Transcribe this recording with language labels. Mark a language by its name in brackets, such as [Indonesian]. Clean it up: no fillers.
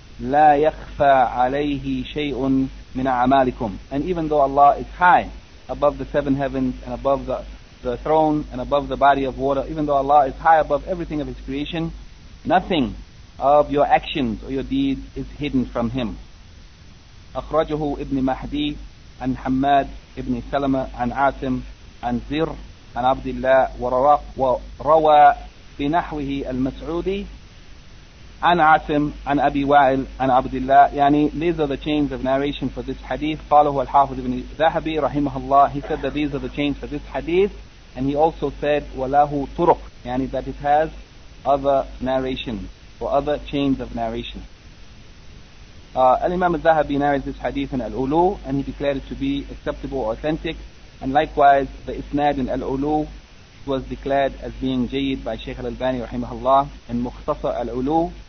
[Arabic] لَا يَخْفَى عَلَيْهِ شَيْءٌ مِنَ عَمَالِكُمْ, [English] and even though Allah is high above the seven heavens and above the throne and above the body of water, even though Allah is high above everything of His creation, nothing of your actions or your deeds is hidden from Him. [Arabic] أخرجه ابن مهدي عن حماد ابن سلمة عن عاصم عن زر عن عبد الله وروى بنحوه المسعودي عن عاصم عن أبي وائل عن عبد الله. [English] يعني these are the chains of narration for this hadith. [Arabic] قاله الحافظ ابن ذهبي رحمه الله, [English] he said that these are the chains for this hadith, and he also said [Arabic] وله طرق, [English] يعني that it has other narrations or other chains of narration. Al-Imam al-Zahabi narrates this hadith in Al-Ulu, and he declared it to be acceptable, authentic, and likewise the Isnad in Al-Ulu was declared as being Jayyid by Shaykh Al-Albani rahimahullah in Mukhtasar Al-Ulu.